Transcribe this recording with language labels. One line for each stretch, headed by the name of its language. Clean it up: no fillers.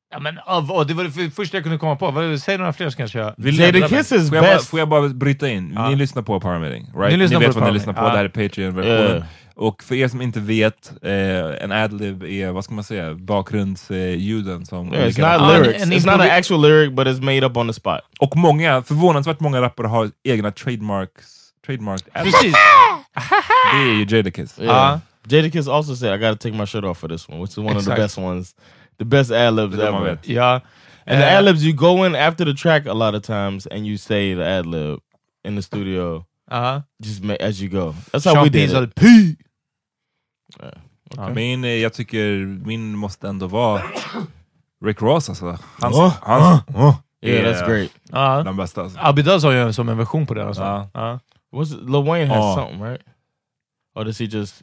Swedish: Ja, men av, och det var det första jag kunde komma på. Säg några fler så kanske jag...
English: Jadakiss is best.
Swedish: Får jag bara bryta in? Ah. Ni lyssnar på Paramedic, right? Ni vet vad ni lyssnar på. Ah. Det här är Patreon-versionen. Och för er som inte vet, en adlib är, vad ska man säga, bakgrundsljuden som...
English: Yeah, it's not lyrics. It's not an actual lyric, but it's made up on the spot.
Swedish: Och många, förvånansvärt många rappare har egna trademarked adlib. Precis. Det är ju Jadakiss.
English: Yeah. Jadakiss also said, I gotta take my shirt off for this one, which is one of the best ones. The best ad-libs ever. Yeah. And the ad-libs, you go in after the track a lot of times and you say the ad-lib in the studio. Uh-huh. Just as you go. That's how Sean we Diesel did it. Sean Diesel P. Okay. Ah.
Swedish: Min, jag tycker min måste ändå vara Rick Ross. Alltså. Hans.
English: Yeah, that's great.
Swedish: Den bästa. Abbey Does har ju som en version på det. Alltså.
English: Lil Wayne has something, right? Or does he just...